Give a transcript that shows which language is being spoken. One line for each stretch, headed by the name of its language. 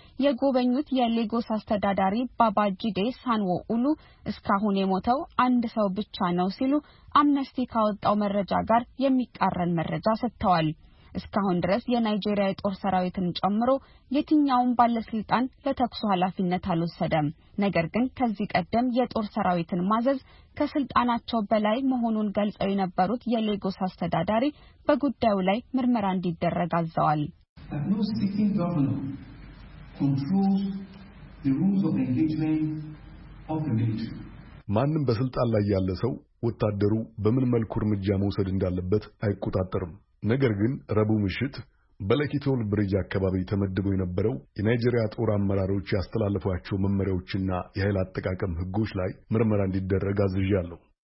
Amharic: የጎበኙት የሌጎስ አስተዳዳሪ ባባጂዴ ሳንዎ ኡሉ እስካሁን የሞተው አንድ ሰው ብቻ ነው ሲሉ አምነስቲ ካወጣው መረጃ ጋር የሚቃረን መረጃ ሰጥተዋል። እስካሁን ድረስ የናይጄሪያ የጦር ሰራዊትን ጨምሮ የትኛውም ባለስልጣን ለተኩስ ኃላፊነት አልወሰደም። ነገር ግን ከዚህ ቀደም የጦር ሰራዊትን ማዘዝ ከስልጣናቸው በላይ መሆኑን ገልጸው የነበሩት የሌጎስ አስተዳዳሪ በጉዳዩ ላይ ምርመራ እንዲደረግ አዘዋል።
English: No sitting governor controls the rules of engagement of the military.
Amharic: ማንም በስልጣን ላይ ያለ ሰው ወታደሩ በምን መልኩ እርምጃ መውሰድ እንዳለበት አይቆጣጠርም። ነገር ግን ረቡዕ ምሽት በለኪቶል ብሪጅ አካባቢ ተመድቦ የነበረው የናይጄሪያ ጦር አመራሮች ያስተላለፏቸው መመሪያዎችና የኃይል አጠቃቀም ህጎች ላይ ምርመራ እንዲደረግ አዝዣለሁ።